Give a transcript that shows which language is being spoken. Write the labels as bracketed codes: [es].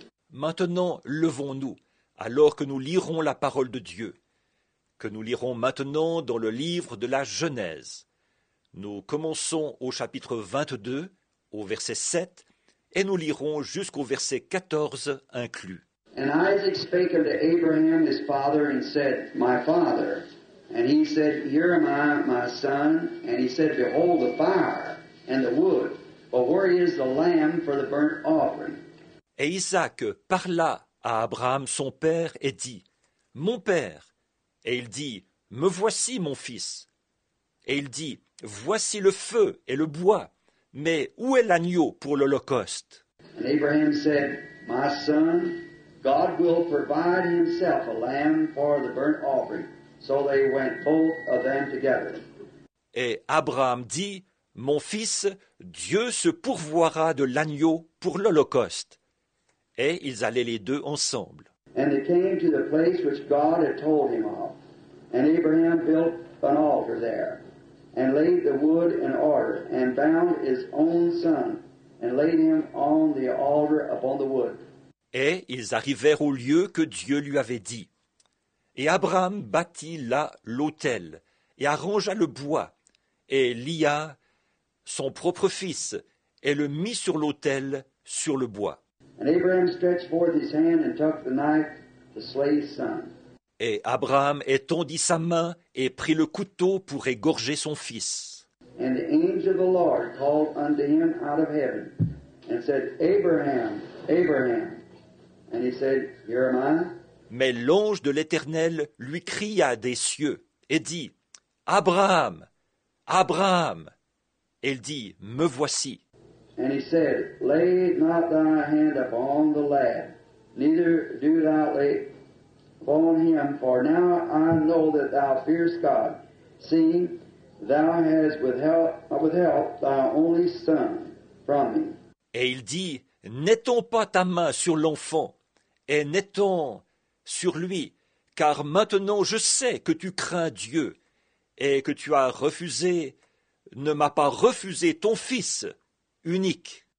[fr] Maintenant, levons-nous, alors que nous lirons la parole de Dieu, que nous lirons maintenant dans le livre de la Genèse. Nous commençons au chapitre 22, au verset 7, et nous lirons jusqu'au verset 14 inclus. [en] And Isaac spake unto Abraham his father, and said, My father. And he said, Here am I, my son. And he said, Behold the fire and the wood, but where is the lamb for the burnt offering? [fr] Et Isaac parla à Abraham son père et dit, « Mon père !» Et il dit, « Me voici, mon fils !» Et il dit, « Voici le feu et le bois, mais où est l'agneau pour l'Holocauste ?» [en] And Abraham said, « My son, God will provide himself a lamb for the burnt offering. » So they went both of them together. [fr] Et Abraham dit, « Mon fils, Dieu se pourvoira de l'agneau pour l'Holocauste. » Et ils allaient les deux ensemble. [en] And they came to the place which God had told him of. And Abraham built an altar there, and laid the wood in order, and bound his own son, and laid him on the altar upon the wood. [fr] Et ils arrivèrent au lieu que Dieu lui avait dit. Et Abraham bâtit là l'autel, et arrangea le bois, et lia son propre fils, et le mit sur l'autel, sur le bois. [en] And Abraham stretched forth his hand and took the knife to slay his son. [fr] Et Abraham étendit sa main et prit le couteau pour égorger son fils. [en] And the angel of the Lord called unto him out of heaven and said, Abraham, Abraham. And he said, Here am I. [fr] Mais l'ange de l'Éternel lui cria des cieux et dit, Abraham, Abraham. Il dit, Me voici. [en] And he said, Lay not thy hand upon the lad, neither do thou lay upon him, for now I know that thou fearest God, seeing thou hast withheld thy only son from me. [fr] Et il dit, N'étends pas ta main sur l'enfant, et n'étends sur lui, car maintenant je sais que tu crains Dieu, et que tu as refusé, ne m'as pas refusé ton fils unique.